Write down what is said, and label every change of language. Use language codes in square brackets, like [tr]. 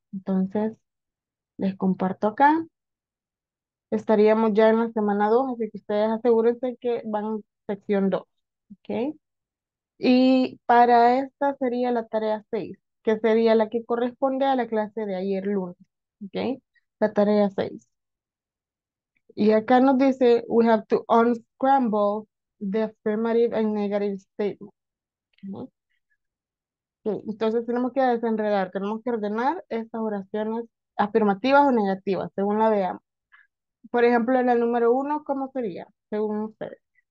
[es] Entonces, les comparto acá. Estaríamos ya en la semana 2, así que ustedes asegúrense que van sección 2, ¿ok? Y para esta sería la tarea 6, que sería la que corresponde a la clase de ayer lunes, ¿ok? La tarea 6. Y acá nos dice, [en] we have to unscramble the affirmative and negative statement. [es] ¿Ok? Okay, entonces tenemos que desenredar, tenemos que ordenar estas oraciones afirmativas o negativas, según la veamos. Por ejemplo, en el número 1, ¿cómo sería según ustedes?